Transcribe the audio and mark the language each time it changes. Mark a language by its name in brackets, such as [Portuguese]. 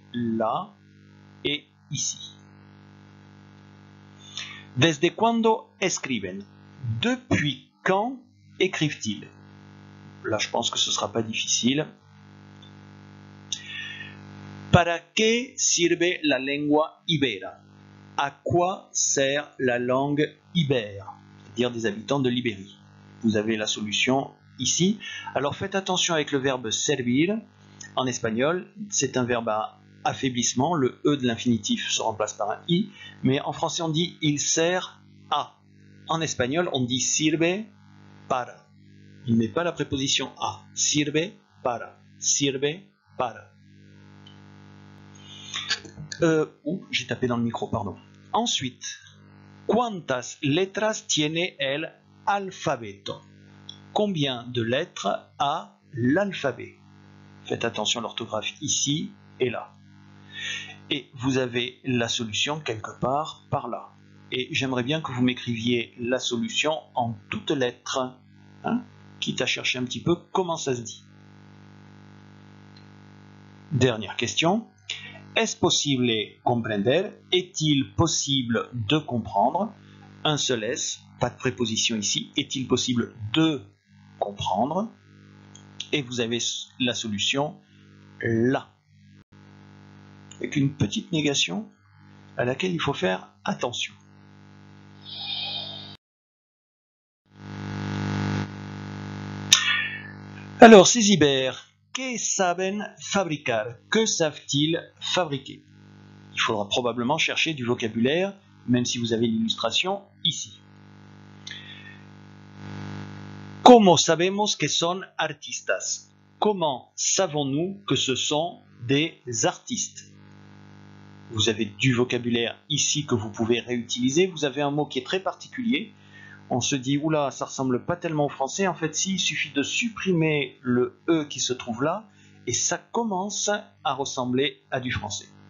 [French] Là et ici. [Spanish] Desde cuando escriben? [French] Depuis quand écrivent-ils? Là, je pense que ce ne sera pas difficile. [Spanish] Para qué sirve la lengua ibera? [French] À quoi sert la langue ibère? C'est-à-dire des habitants de l'Ibérie. Vous avez la solution ici. Alors faites attention avec le verbe servir en espagnol. C'est un verbe à affaiblissement. Le E de l'infinitif se remplace par un I. Mais en français, on dit il sert à. En espagnol, on dit [Spanish] sirve para. [French] Il n'est pas la préposition à. [Spanish] Sirve para. Sirve para. [French] J'ai tapé dans le micro, pardon. Ensuite, [Spanish] ¿cuántas letras tiene el alfabeto? [French] combien de lettres a l'alphabet? Faites attention à l'orthographe ici et là. Et vous avez la solution quelque part par là. Et j'aimerais bien que vous m'écriviez la solution en toutes lettres, hein, quitte à chercher un petit peu comment ça se dit. Dernière question. Est-ce possible comprendre? Est-il possible de comprendre? Un seul S, pas de préposition ici. Est-il possible de comprendre? Et vous avez la solution là. Avec une petite négation à laquelle il faut faire attention. Alors, ces [Spanish] Iber, que saben fabricar? [French] Que savent-ils fabriquer? Il faudra probablement chercher du vocabulaire, même si vous avez l'illustration ici. [Spanish] ¿Cómo sabemos que son artistas? [French] Comment savons-nous que ce sont des artistes? Vous avez du vocabulaire ici que vous pouvez réutiliser. Vous avez un mot qui est très particulier. On se dit, oula, ça ressemble pas tellement au français. En fait, si, il suffit de supprimer le E qui se trouve là et ça commence à ressembler à du français.